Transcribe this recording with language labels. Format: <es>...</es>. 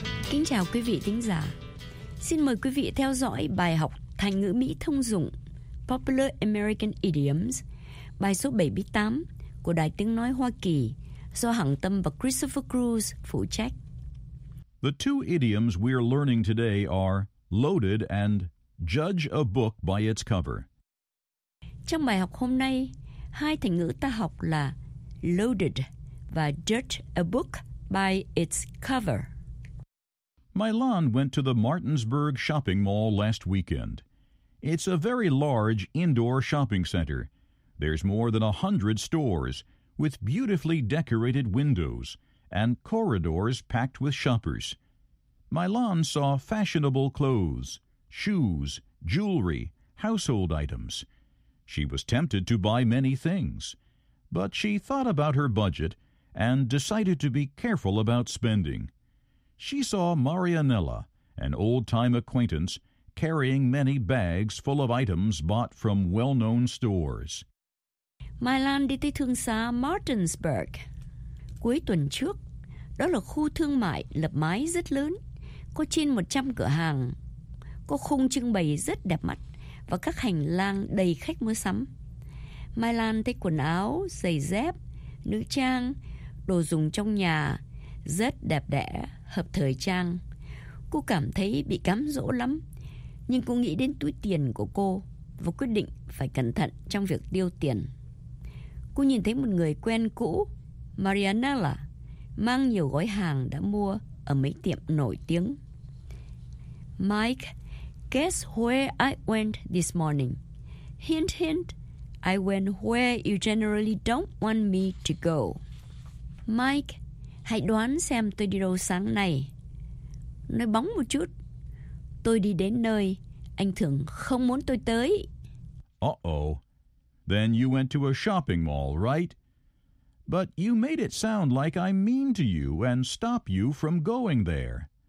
<vi>Kính chào quý vị thính giả. Xin mời quý vị theo dõi bài học thành ngữ Mỹ thông dụng Popular American Idioms, bài số 78 của Đài Tiếng Nói Hoa Kỳ do Hằng Tâm và Christopher Cruz phụ trách.</vi> <en>The two idioms we are learning today are loaded and judge a book by its cover.</en> <vi>Trong bài học hôm nay, hai thành ngữ ta học là loaded và</vi> <en>judge a book by its cover. Mylon went to the Martinsburg shopping mall last weekend. It's a very large indoor shopping center. There's more than 100 stores with beautifully decorated windows and corridors packed with shoppers. Mylon saw fashionable clothes, shoes, jewelry, household items. She was tempted to buy many things, but she thought about her budget and decided to be careful about spending. She saw Marianella, an old-time acquaintance, carrying many bags full of items bought from well-known stores.</en> <vi>Mylon đi tới thương xá Martinsburg. Cuối tuần trước, đó là khu thương mại lập mái rất lớn, có trên 100 cửa hàng, có khung trưng bày rất đẹp mắt và các hành lang đầy khách mua sắm. Mylon thấy quần áo, giày dép, nữ trang, đồ dùng trong nhà rất đẹp đẽ, hợp thời trang. Cô cảm thấy bị cám dỗ lắm, nhưng cô nghĩ đến túi tiền của cô và quyết định phải cẩn thận trong việc tiêu tiền. Cô nhìn thấy một người quen cũ, Marianella, mang nhiều gói hàng đã mua ở mấy tiệm nổi tiếng.</vi> <en>Mike, guess where I went this morning? Hint, hint, I went where you generally don't want me to go. Mike,</en> <vi>Hãy đoán xem tôi đi đâu sáng nay. Nói bóng một chút. Tôi đi đến nơi anh thường không muốn tôi tới.</vi> <en>Uh-oh. Then you went to a shopping mall, right? But you made it sound like I'm mean to you and stop you from going there.</en>